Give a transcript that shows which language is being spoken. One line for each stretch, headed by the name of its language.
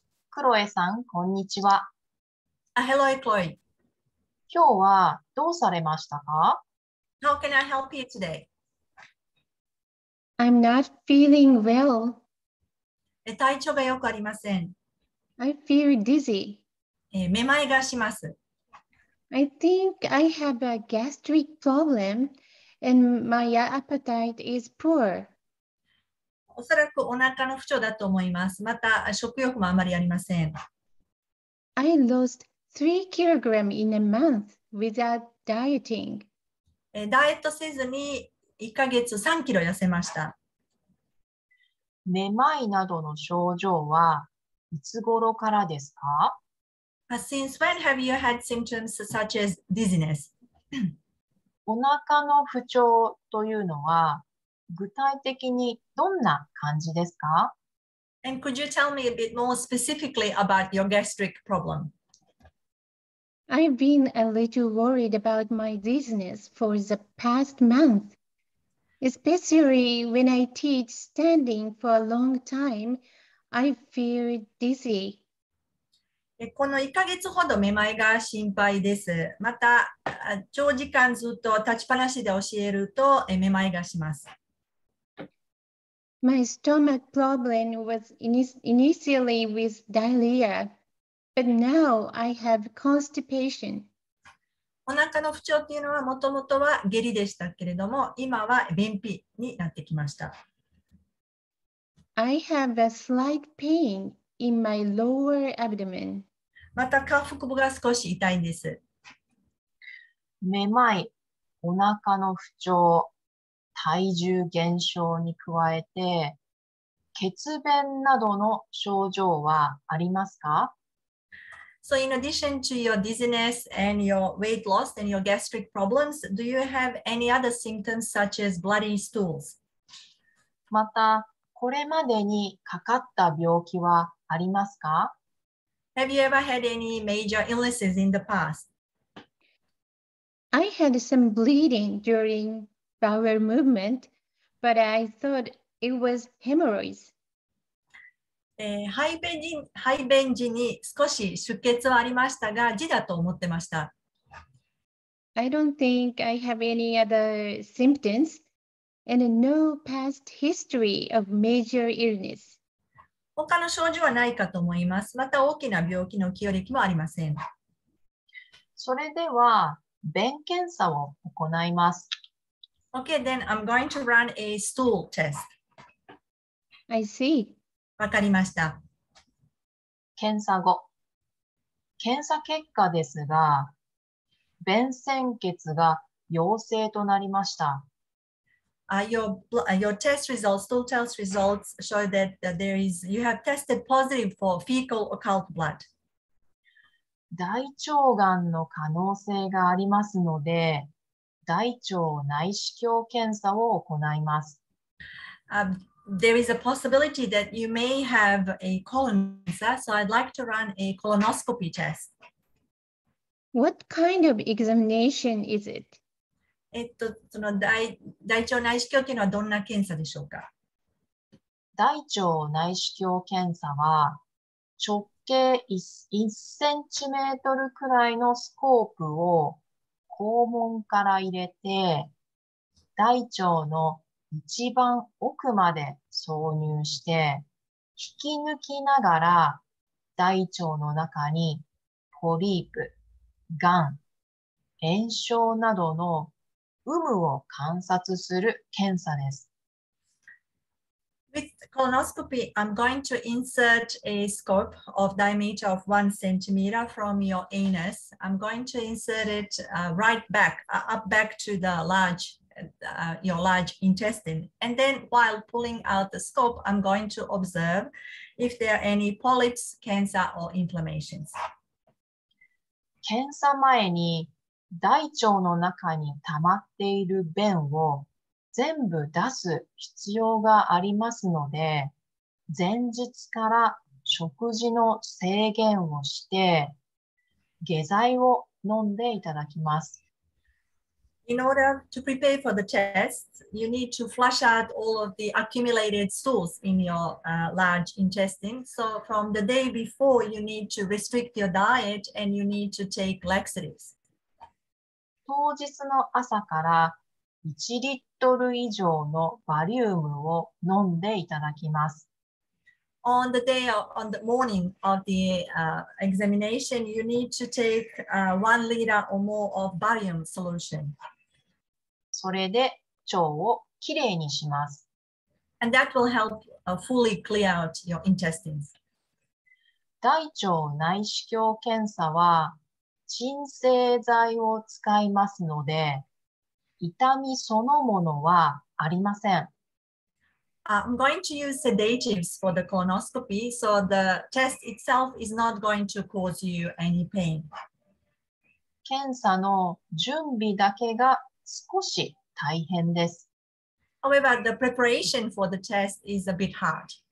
Japanese: クロエさん、こんにちは。
English: Hello, Chloe.
Japanese: 今日はどうされましたか？
English: How can I help you today? I'm not feeling well.
Japanese: 体調がよくありません。
English: I feel dizzy.
Japanese: めまいがします。
English: I think I have a gastric problem and my appetite is poor.
Japanese: おそらくお腹の不調だと思います。また食欲もあまりありません。
English: I lost 3 kilograms in a month without dieting.
Japanese: ダイエットせずに1ヶ月3キロ痩せました。めまいなどの症状はいつ頃からですか？
English: Since when have you had symptoms such as dizziness?
Japanese: お腹の不調というのは具体的にどんな感じですか？
English: And could you tell me a bit more specifically about your gastric problem? I've been a little worried about my dizziness for the past month, especially when I teach standing for a long time. I feel dizzy.
Japanese: この1ヶ月ほどめまいが心配です。また、長時間ずっと立ちっぱなしで教えるとめまいがします。
English: My stomach problem was initially with diarrhea, but now I have constipation.
Japanese: お腹の不調っていうのはもともとは下痢でしたけれども、今は便秘になってきました。
English: I have a slight pain in my lower abdomen. また下腹部が少し痛いんです。
Japanese: めまい、お腹の不調、体重減少に加えて、血便などの症状はありますか？
English: So in addition to your dizziness and your weight loss and your gastric problems, do you have any other symptoms such as bloody stools?
Japanese: また、これまでにかかった病気はありますか？
English: Have you ever had any major illnesses in the past? I had some bleeding during bowel movement, but I thought it was hemorrhoids.
Japanese: 排便時に少し出血はありましたが、痔だと思ってました。
English: I don't think I have any other symptoms. And no past history of major illness.
Japanese: 他の症状はないかと思います。また大きな病気の記憶もありません。それでは、便検査を行います。
English: Okay, then I'm going to run a stool test. I see.
Japanese: わかりました。検査後。検査結果ですが、便潜血が陽性となりました。
English: Your test results show that you have tested positive for fecal occult blood.
Japanese: 大腸がんの可能性がありますので、大腸内視鏡検査を行います。
English: There is a possibility that you may have a colon cancer, so I'd like to run a colonoscopy test. What kind of examination is it?
Japanese: その大腸内視鏡というのはどんな検査でしょうか？大腸内視鏡検査は直径 1cm くらいのスコープを肛門から入れて大腸の一番奥まで挿入して引き抜きながら大腸の中にポリープ、がん、炎症などの有無を観察する検査です。
English: With colonoscopy, I'm going to insert a scope of diameter of 1cm from your anus. I'm going to insert it up back to the large, your large intestine. And then while pulling out the scope, I'm going to observe if there are any polyps, cancer or inflammations.
Japanese: 検査前に大腸の中に溜まっている便を全部出す必要がありますので、前日から食事の制限をして、下剤を飲んでいただきます。
English: In order to prepare for the test, you need to flush out all of the accumulated stools in your large intestine. So from the day before, you need to restrict your diet and you need to take laxatives.
Japanese: 当日の朝から1リットル以上のバリウムを飲んでいただきます。
English: On the day of, on the morning of the examination, you need to take 1 liter or more of barium solution.
Japanese: それで腸をきれいにします。
English: And that will help fully clear out your intestines.
Japanese: 大腸内視鏡検査は鎮静剤を使いますので、痛みそのものはありません。
English: I'm going to use sedatives for the colonoscopy, so the test itself is not going to cause you any pain.
Japanese: 検査の準備だけが少し大変です。
English: However, the preparation for the test is a bit hard.